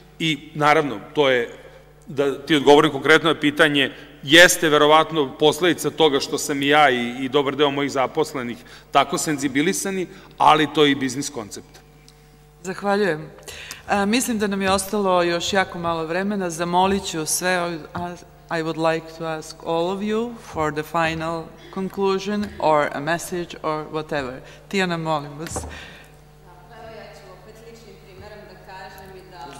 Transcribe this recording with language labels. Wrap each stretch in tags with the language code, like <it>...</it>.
<sr>I naravno, to je, da ti odgovorim konkretno na pitanje, jeste verovatno posledica toga što sam i ja i dobar deo mojih zaposlenih tako senzibilisani, ali to je i biznis koncept. Zahvaljujem. Mislim da nam je ostalo još jako malo vremena. Zamolit ću sve,</sr> <en>I would like to ask all of you for the final conclusion or a message or whatever.</en> <sr>Tijana, molim vas. Evo, ja ću opet ličnim primerom da kažem i da...</sr>